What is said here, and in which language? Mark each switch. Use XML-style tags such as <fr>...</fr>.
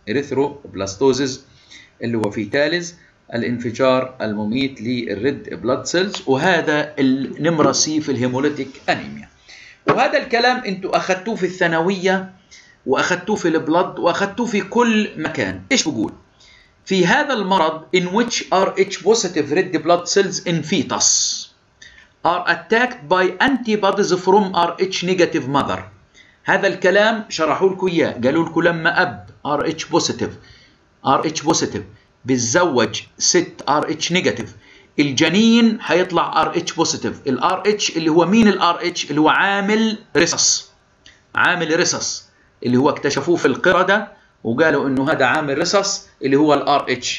<ar>اريثرو بلاستوزيس اللي هو فيتاليز، الانفجار المميت للريد بلاد سيلز، وهذا النمرة سي في الهيموليتيك انيميا. وهذا الكلام انتوا اخذتوه في الثانوية واخذتوه في البلد واخذتوه في كل مكان. ايش بقول؟ في هذا المرض</ar> <en>in which Rh positive red blood cells in fetus are attacked by antibodies from Rh negative mother.</en> <ar>هذا الكلام شرحوا لكم اياه، قالوا لكم لما اب Rh positive بيتزوج ست Rh negative الجنين هيطلع Rh positive. ال Rh اللي هو مين؟ ال Rh اللي هو عامل رصص، عامل رصص اللي هو اكتشفوه في القردة وقالوا انه هذا عامل رصص اللي هو ال Rh.</ar>